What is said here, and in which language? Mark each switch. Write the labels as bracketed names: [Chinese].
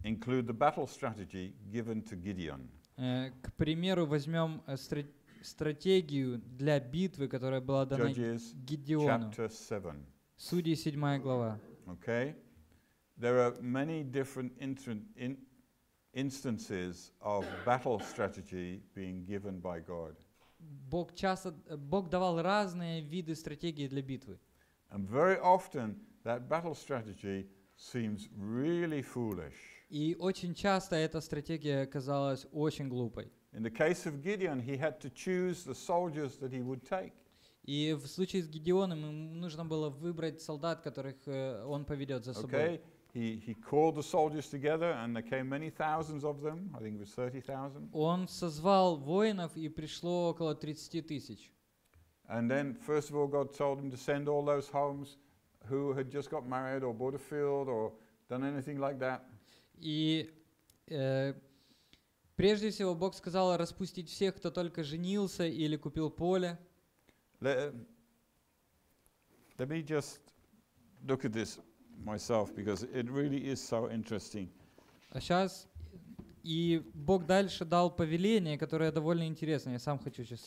[English] include the battle strategy given to Gideon. [Russian] К примеру, возьмем стратегию для битвы, которая была дана [English] Judges, [Russian] Гидеону. [English] Chapter 7. [Russian] Судьи, 7 глава. [English] Okay. There are many different instances of battle strategy being given by God. [Russian] Бог давал разные виды стратегии для битвы. [English] And very often that battle strategy seems really foolish. [Russian] И очень часто эта стратегия казалась очень глупой. [English] In the case of Gideon, he had to choose the soldiers that he would take. [Russian] И в случае с Гидеоном ему нужно было выбрать солдат, которых он поведет за собой. [English] Okay. He called the soldiers together, and there came many thousands of them. I think it was 30,000. [Russian] Он созвал воинов, и пришло около 30,000. [English] And then, first of all, God told him to send all those homes who had just got married or bought a field or done anything like that. [Russian] И прежде всего Бог сказал распустить всех, кто только женился или купил поле. [English] Let me just look at this myself, because it really is so interesting. [Russian] А сейчас и Бог дальше дал повеление, которое довольно интересное. Я сам хочу сейчас